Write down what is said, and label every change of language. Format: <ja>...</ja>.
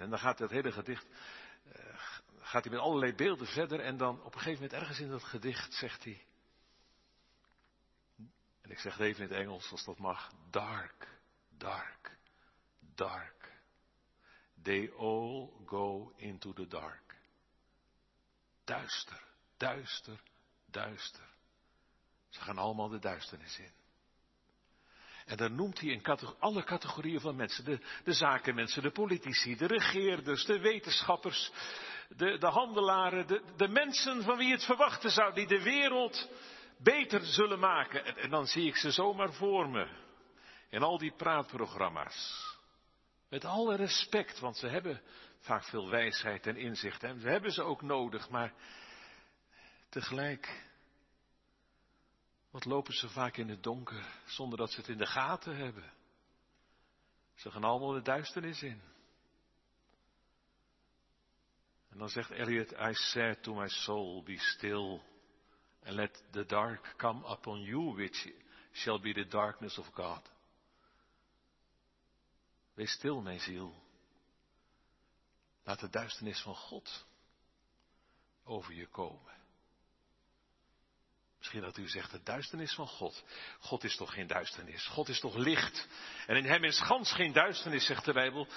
<nl>En dan gaat dat hele gedicht, gaat hij met allerlei beelden verder. En dan op een gegeven moment ergens in dat gedicht zegt hij. En ik zeg het even in het Engels als dat mag.</nl> <en>Dark, dark, dark. They all go into the dark.</en> <nl>Duister, duister, duister. Ze gaan allemaal de duisternis in. En dan noemt hij alle categorieën van mensen. De zakenmensen, de politici, de regeerders, de wetenschappers, de handelaren, de mensen van wie het verwachten zou, die de wereld beter zullen maken. En dan zie ik ze zomaar voor me. In al die praatprogramma's. Met alle respect, want ze hebben vaak veel wijsheid en inzicht. En we hebben ze ook nodig, maar tegelijk, wat lopen ze vaak in het donker, zonder dat ze het in de gaten hebben. Ze gaan allemaal de duisternis in. En dan zegt</nl> <en>Eliot, I said to my soul, be still, and let the dark come upon you, which shall be the darkness of God.</en> <nl>Wees stil, mijn ziel. Laat de duisternis van God over je komen. Misschien dat u zegt, de duisternis van God. God is toch geen duisternis. God is toch licht. En in hem is gans geen duisternis, zegt de Bijbel.</nl>